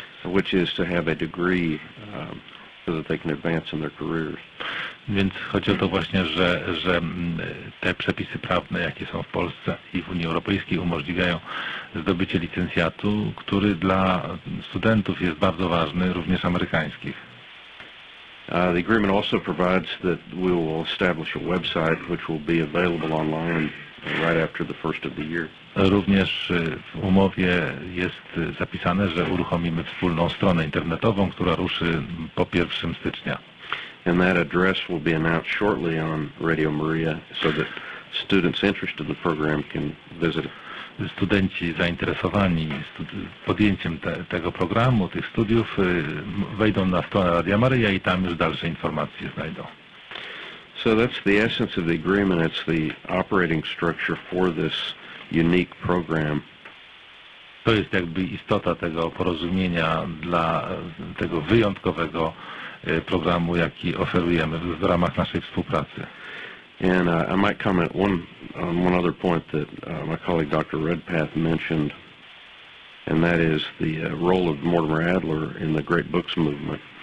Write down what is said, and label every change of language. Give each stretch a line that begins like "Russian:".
English: Which is to have a degree so that they can advance in their careers.
Polish: Więc chodzi o to właśnie, że te przepisy prawne, jakie są w Polsce i w Unii Europejskiej, umożliwiają zdobycie licencjatu, który dla studentów jest bardzo ważny, również amerykańskich.
English: The agreement also provides that we will establish a website which will be available online right after the first of the year.
Polish: Również w umowie jest zapisane, że uruchomimy wspólną stronę internetową, która ruszy po 1 stycznia.
English: And that address will be announced shortly on Radio Maria so that students interested in the program can visit.
Polish: Studenci zainteresowani podjęciem tego programu, tych studiów, wejdą na stronę Radia Maryja i tam już dalsze informacje znajdą.
English: So that's the essence of the agreement. It's the operating structure for this unique program.
Polish: To jest jakby istota tego porozumienia dla tego wyjątkowego programu, jaki oferujemy w ramach naszej współpracy.
English: And I might comment on one other point that my colleague Dr. Redpath mentioned, and that is the role of Mortimer Adler in the Great Books Movement.